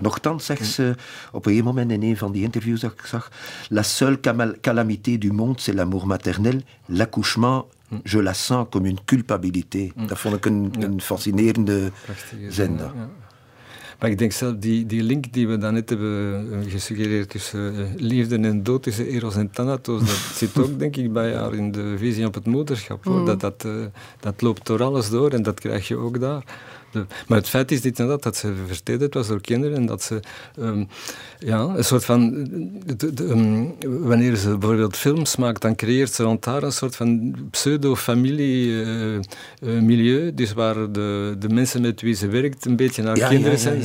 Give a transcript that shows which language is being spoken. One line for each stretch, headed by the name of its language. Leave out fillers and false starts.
Dutch: Nochtans zegt ze op een moment in een van die interviews dat ik zag:
French: La seule calamité du monde, c'est l'amour maternel. L'accouchement, je la sens comme une culpabilité.
Dutch: Dat vond ik een fascinerende zin. Ja. Maar ik denk zelf, die link die we daarnet hebben gesuggereerd tussen liefde en dood, tussen Eros en Thanatos, dat zit ook, denk ik, bij haar in de visie op het moederschap. Hoor. Dat loopt door alles door en dat krijg je ook daar. Maar het feit is dat ze vertederd was door kinderen en dat ze een soort van wanneer ze bijvoorbeeld films maakt, dan creëert ze rond haar een soort van pseudo-familie milieu, dus waar de mensen met wie ze werkt een beetje naar kinderen zijn.